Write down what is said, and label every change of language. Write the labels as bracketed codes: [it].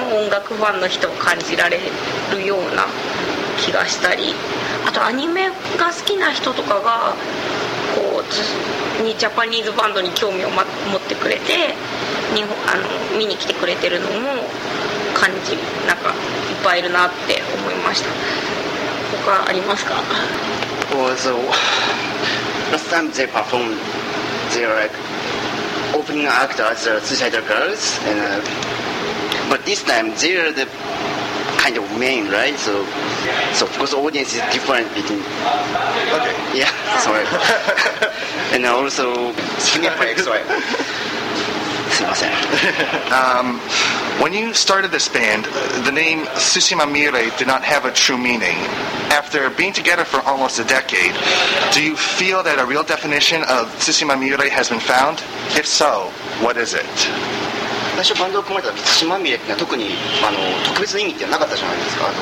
[ja] やってたので、お客さんは、その時はスーサイドガールズツアーのオープニングアクトでやってたので、お客さんは、本当、そのときはスーサイドガールズのファンのお客さんに見てもらう感じだったから、今回は対馬ミレを見たいって言ってきてくれる人とか、普通にバンドを見に来てる人たちが多いので、なんか印象が違いますやっぱり。なんだろう、本当になんか音楽を目当てで来てくれてるから、生のお客さん、生の音楽ファンの人を感じられるような気がしたり、あとアニメが好きな人とかがジャパニーズバンドに興味を持ってくれて見に来てくれてるのも感じ、なんかいっぱいいるなって思いました。他ありますか? [en] Well, so last time they performed their opening act as Suicide Girls, and but this time they are the kind of main, right? So of course audience is different between. Okay. Yeah, sorry. And also Cineplex, right? [ja] すみません。 [en] When you started this band, the name Tsushima Mire did not have a true meaning. After being together for almost a decade, do you feel that a real definition of Tsushima Mire has been found? If so, what is it? [ja] 私はバンドを組まれた時、津島みれっていうのは特に特別な意味ってなかったじゃないですか。